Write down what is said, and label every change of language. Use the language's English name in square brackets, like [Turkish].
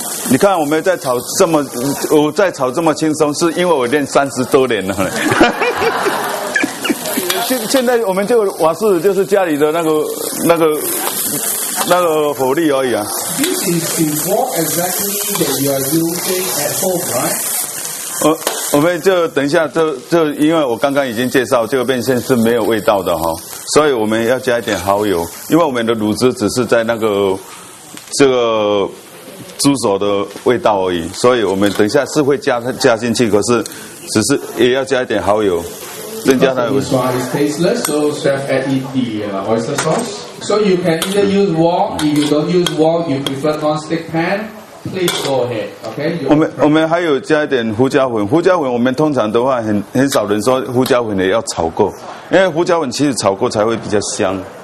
[Chinese] 你看我们在炒这么，我在炒这么轻松，是因为我练30多年了。现在我们就瓦斯就是家里的那个火力而已啊。 [English] This is the wok exactly that you are using at home, right? [Chinese] 我们就等一下，就因为我刚刚已经介绍，这个变现是没有味道的哈，所以我们要加一点蚝油，因为我们的卤汁只是在那个这个。猪手的味道而已，所以我们等一下是会加进去，可是只是也要加一点蚝油，增加它的味道。 [English] It's tasteless, so chef added the oyster sauce. So you can either use wok. If you don't use wok, you prefer non-stick pan. Please go ahead. Okay. [Chinese] 我们还有加一点胡椒粉。胡椒粉我们通常的话很少人说胡椒粉也要炒过，因为胡椒粉其实炒过才会比较香。